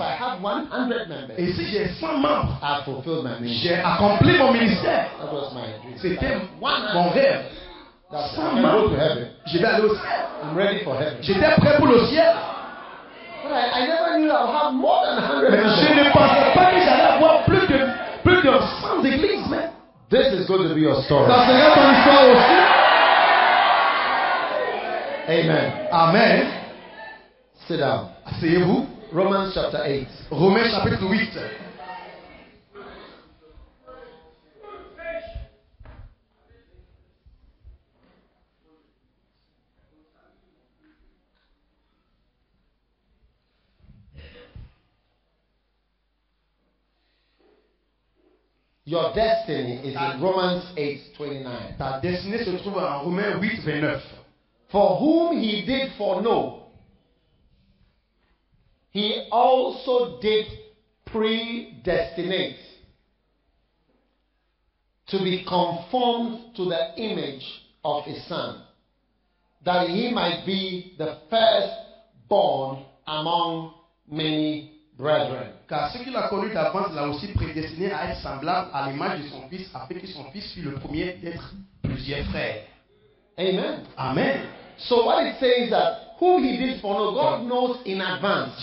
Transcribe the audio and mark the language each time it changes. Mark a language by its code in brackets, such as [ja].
[en] If I have 100 members, [fr] et si j'ai 100 membres, [en] I fulfilled my ministry. [fr] J'ai accompli mon ministère. [en] That was my dream. [fr] C'était mon rêve. [en] That's [fr] 100 membres. [en] To heaven. [fr] Je vais aller au ciel. [en] I'm ready for heaven. [fr] J'étais prêt pour le ciel. [en] But I never knew I'll have more than 100 [fr] mais [en] members. [fr] Je ne pensais pas que j'allais avoir plus de 100 églises, mais. [en] This is going to be your story. [fr] Ça sera ton histoire aussi. [en] Amen. Amen. Sit down. [fr] Asseyez-vous. [en] Romans chapter 8. [fr] Romains chapitre 8. [en] Your destiny is in Romans 8:29. [fr] Ta destinée se trouve en Romains 8:29. [en] For whom he did foreknow, he also did predestinate to be conformed to the image of his son, that he might be the firstborn among many brethren. [fr] Car ce qu'il a connu d'avance l'a aussi prédestiné à être semblable à l'image de son fils, afin que son fils fût le premier d'être plusieurs frères. [en] Amen. Amen. So what it says that who he did foreknow, God knows in advance.